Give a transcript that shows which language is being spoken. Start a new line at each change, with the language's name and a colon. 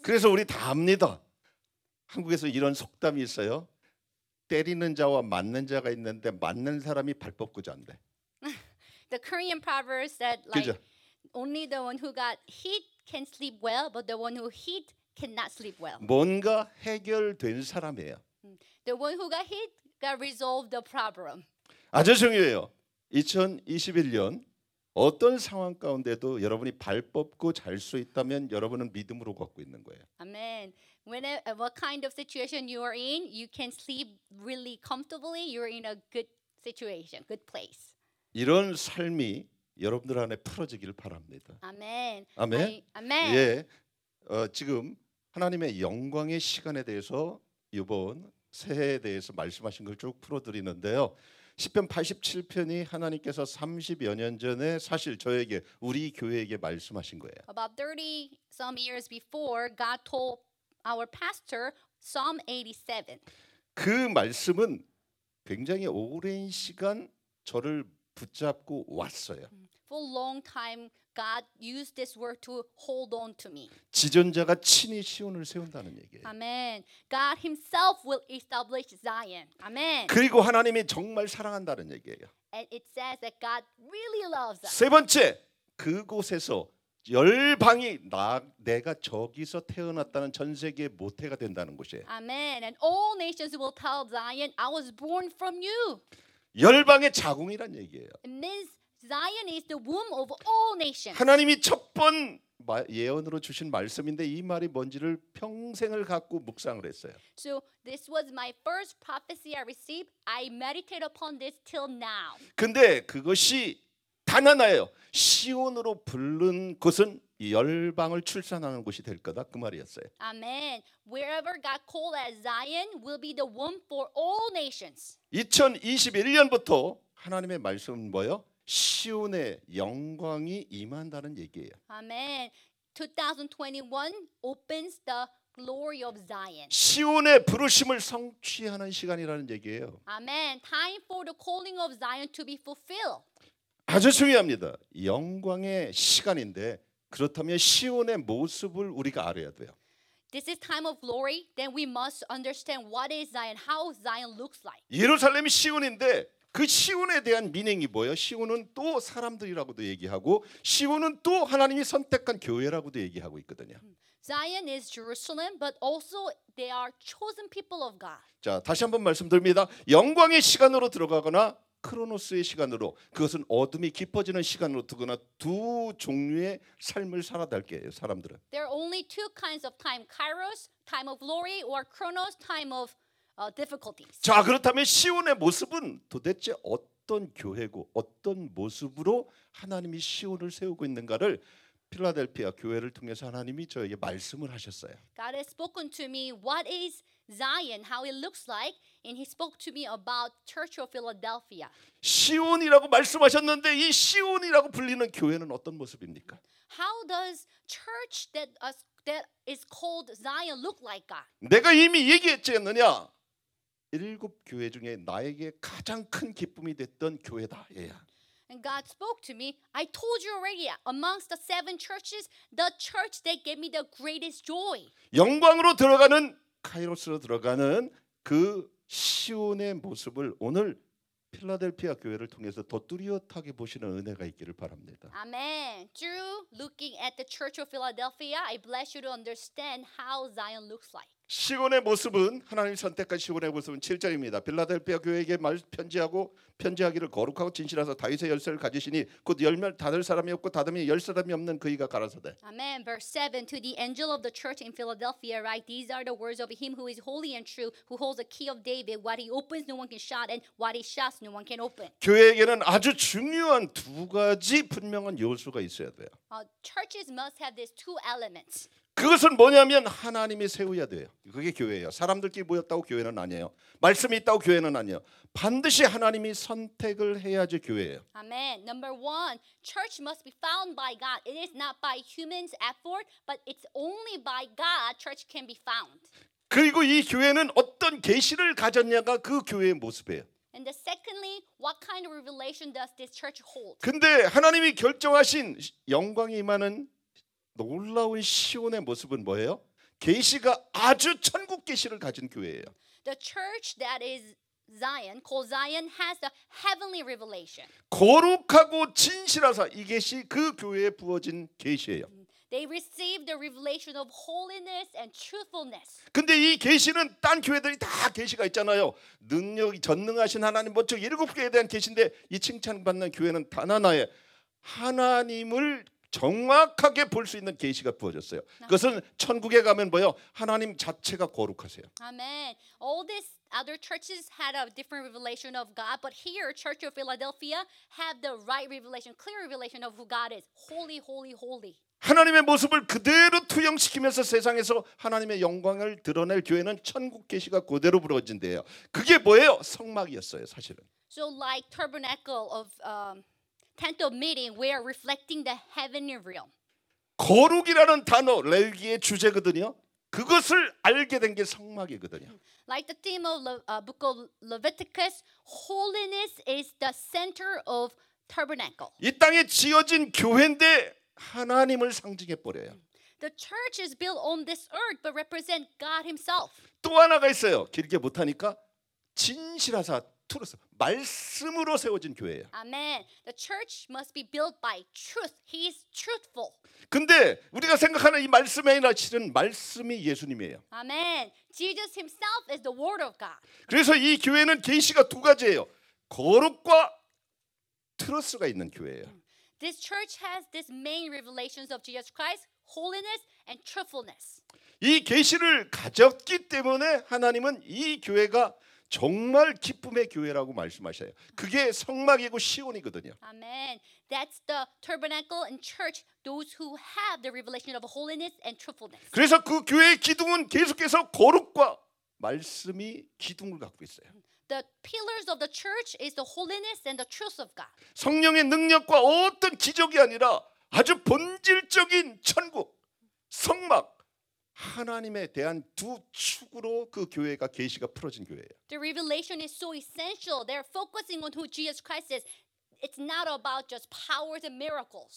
Korean: 그래서 우리 다 압니다. 한국에서 이런 속담이 있어요. 때리는 자와 맞는 자가 있는데 맞는 사람이 발 뻗고 잔대.
English: The Korean proverb said, like,
Korean: 그죠?
English: only the one who got hit can sleep well, but the one who hit cannot sleep well.
Korean: 뭔가 해결된 사람이에요.
English: The one who got hit got resolved the problem.
Korean: 아주 중요해요. 2021년 어떤 상황 가운데도 여러분이 발 뻗고 잘 수 있다면 여러분은 믿음으로 걷고 있는 거예요.
English: Amen. Whenever what kind of situation you are in, you can sleep really comfortably. You're in a good situation, good place.
Korean: 이런 삶이 여러분들 안에 풀어지기를 바랍니다. 아멘. 아멘. 아멘. 예. 지금 하나님의 영광의 시간에 대해서 이번 새해에 대해서 말씀하신 걸 쭉 풀어드리는데요. 시편 87편이 하나님께서 30여 년 전에 사실 저에게 우리 교회에게 말씀하신 거예요.
English: About 30 some years before God told our pastor Psalm 87.
Korean: 그 말씀은 굉장히 오랜 시간 저를 붙잡고 왔어요.
English: For a long time God used this word to hold on to me.
Korean: 지존자가 친히 시온을 세운다는 얘기예요.
English: Amen. God himself will establish Zion. Amen.
Korean: 그리고 하나님이 정말 사랑한다는 얘기예요.
English: And it says that God really loves us.
Korean: 세 번째, 그곳에서 열방이 내가 저기서 태어났다는 전 세계의 모태가 된다는 곳이에요.
English: Amen. And all nations will tell Zion, I was born from you.
Korean: 열방의 자궁이란 얘기예요.
English: It means Zion is the womb of all nations.
Korean: 하나님이 첫 번 예언으로 주신 말씀인데 이 말이 뭔지를 평생을 갖고 묵상을 했어요.
English: So this was my first prophecy I received. I meditate upon this till now.
Korean: 근데 그것이 단 하나예요. 시온으로 부른 곳은 열방을 출산하는 곳이 될 거다 그 말이었어요.
English: Amen. Wherever God called as Zion will be the womb for all nations.
Korean: 2021년부터 하나님의 말씀은 뭐예요? 시온의 영광이 임한다는 얘기예요.
English: Amen. 2021 opens the glory of Zion.
Korean: 시온의 부르심을 성취하는 시간이라는 얘기예요.
English: Amen. Time for the calling of Zion to be fulfilled.
Korean: 아주 중요합니다. 영광의 시간인데 그렇다면 시온의 모습을 우리가 알아야 돼요.
English: This is time of glory. Then we must understand what is Zion, how Zion looks like.
Korean: 예루살렘이 시온인데 그 시온에 대한 미닝이 뭐예요? 시온은 또 사람들이라고도 얘기하고 시온은 또 하나님이 선택한 교회라고도 얘기하고 있거든요.
English: Zion is Jerusalem, but also they are chosen people of God.
Korean: 자, 다시 한번 말씀드립니다. 영광의 시간으로 들어가거나 크로노스의 시간으로 그것은 어둠이 깊어지는 시간으로 두거나 두 종류의 삶을 살아달게요 사람들은.
English: There are only two kinds of time: Kairos, time of glory, or Chronos, time of difficulties.
Korean: 자 그렇다면 시온의 모습은 도대체 어떤 교회고 어떤 모습으로 하나님이 시온을 세우고 있는가를 필라델피아 교회를 통해서 하나님이 저에게 말씀을 하셨어요.
English: God has spoken to me what is Zion, how it looks like, and he spoke to me about Church of Philadelphia.
Korean: 시온이라고 말씀하셨는데 이 시온이라고 불리는 교회는 어떤 모습입니까?
English: How does church that is called Zion look like, God?
Korean: 내가 이미 얘기했지 않느냐? 일곱 교회 중에 나에게 가장 큰 기쁨이 됐던 교회다. 얘야.
English: And God spoke to me. I told you already. Amongst the seven churches, the church that gave me the greatest joy.
Korean: 영광으로 들어가는 카이로스로 들어가는 그 시온의 모습을 오늘 필라델피아 교회를 통해서 더 뚜렷하게 보시는 은혜가 있기를 바랍니다.
English: Amen. Through looking at the Church of Philadelphia, I bless you to understand how Zion looks like.
Korean: 시온의 모습은 하나님 선택한 시온의 모습은 7절입니다. 필라델피아 교회에게 말 편지하고 편지하기를 거룩하고 진실하사 다윗의 열쇠를 가지시니 곧 열매를 닫을 사람이 없고 닫음이 열 사람이 없는 그이가 가라사대.
English: Amen. Verse 7. To the angel of the church in Philadelphia write, these are the words of him who is holy and true, who holds the key of David. What he opens, no one can shut, and what he shuts, no one can open.
Korean: 교회에게는 아주 중요한 두 가지 분명한 요소가 있어야 돼요.
English: Churches must have these two elements.
Korean: 그것은 뭐냐면 하나님이 세워야 돼요. 그게 교회예요. 사람들끼리 모였다고 교회는 아니에요. 말씀이 있다고 교회는 아니에요. 반드시 하나님이 선택을 해야지 교회예요.
English: Amen. Number one, church must be found by God. It is not by human's effort, but it's only by God church can be found.
Korean: 그리고 이 교회는 어떤 계시를 가졌냐가 그 교회의 모습이에요.
English: And secondly, what kind of revelation does this church hold?
Korean: 근데 하나님이 결정하신 영광이 임하는 놀라운 시온의 모습은 뭐예요? 계시가 아주 천국 계시를 가진 교회예요.
English: The church that is Zion, called Zion, has the heavenly revelation.
Korean: 거룩하고 진실하사 이 계시 그 교회에 부어진 계시예요.
English: They receive the revelation of holiness and truthfulness.
Korean: 근데 이 계시는 딴 교회들이 다 계시가 있잖아요. 능력이 전능하신 하나님 뭐 저 일곱 교회에 대한 계시인데 이 칭찬받는 교회는 단 하나의 하나님을 정확하게 볼 수 있는 계시가 부어졌어요. 그것은 천국에 가면 뭐요? 하나님 자체가 거룩하세요.
English: Amen. All these other churches had a different revelation of God, but here, Church of Philadelphia have the right revelation, clear revelation of who God is. Holy, holy, holy.
Korean: 하나님의 모습을 그대로 투영시키면서 세상에서 하나님의 영광을 드러낼 교회는 천국 계시가 그대로 부러진대요. 그게 뭐예요? 성막이었어요, 사실은.
English: So like tabernacle of tent of meeting, we are reflecting the heavenly realm.
Korean: 거룩이라는 단어, 레위기의 주제거든요. 그것을 알게 된 게 성막이거든요.
English: Like the theme of book of Leviticus, holiness is the center of tabernacle.
Korean: 이 땅에 지어진 교회인데 하나님을 상징해 버려요.
English: The church is built on this earth but represent God himself.
Korean: 또 하나가 있어요. 길게 못 하니까 진실하사 투르스 말씀으로 세워진 교회예요.
English: Amen. The church must be built by truth. He is truthful.
Korean: 근데 우리가 생각하는 이 말씀의 나실은 말씀이 예수님이에요.
English: Amen. Jesus himself is the word of God.
Korean: 그래서 이 교회는 계시가 두 가지예요. 거룩과 트러스가 있는 교회예요.
English: This church has this main revelations of Jesus Christ, holiness and truthfulness.
Korean: 이 계시를 가졌기 때문에 하나님은 이 교회가 정말 기쁨의 교회라고 말씀하셔요. 그게 성막이고 시온이거든요.
English: Amen. That's the tabernacle and church. Those who have the revelation of holiness and truthfulness.
Korean: 그래서 그 교회의 기둥은 계속해서 거룩과 말씀이 기둥을 갖고 있어요.
English: The pillars of the church is the holiness and the truth of God.
Korean: 성령의 능력과 어떤 기적이 아니라 아주 본질적인 천국, 성막. 하나님에 대한 두 축으로 그 교회가 계시가 풀어진 교회예요.
English: The revelation is so essential. They're focusing on who Jesus Christ is. It's not about just powers and miracles.